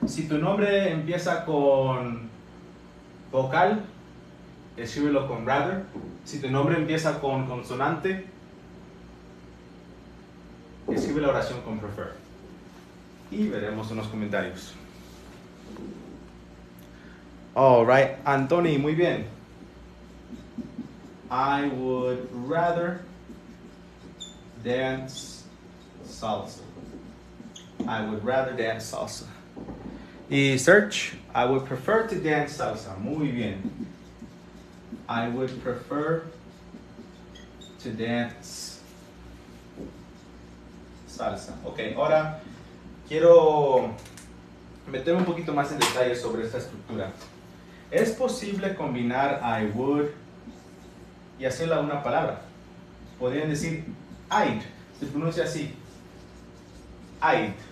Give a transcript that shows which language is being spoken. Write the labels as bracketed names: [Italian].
[Spanish] Si tu nombre empieza con vocal, escríbelo con rather. Si tu nombre empieza con consonante, escribe la oración con prefer. Y veremos en los comentarios. [English] All right, [Spanish] Anthony, muy bien. [English] I would rather dance salsa. I would rather dance salsa. Y search, I would prefer to dance salsa. [Spanish] Muy bien. [English] I would prefer to dance salsa. [Spanish] Okay, ahora quiero meterme un poquito más en detalle sobre esta estructura. ¿Es posible combinar I would y hacerla una palabra? Podrían decir I'd. Se pronuncia así. I'd.